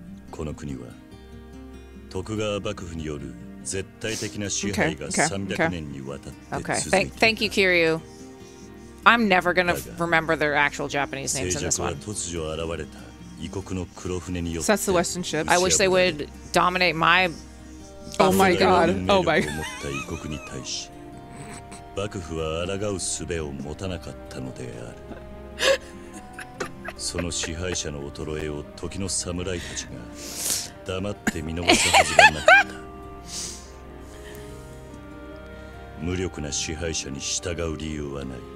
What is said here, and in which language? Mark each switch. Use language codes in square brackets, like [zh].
[ja] この国は徳川幕府による絶対的な支配が300年にわたって続いていた。 [en] Okay. Thank you, Kiryu. I'm never gonna remember their actual Japanese names in this one. [ja] 静寂は突如現れた異国の黒船によって。 [en] That's the Western ship. I wish they would dominate my. Oh my god. Oh my. [ja] 持った異国に対し。幕府は抗う術を持たなかったのであるその支配者の衰えを時の侍たちが黙って見逃すはずがなかった無力な支配者に従う理由はない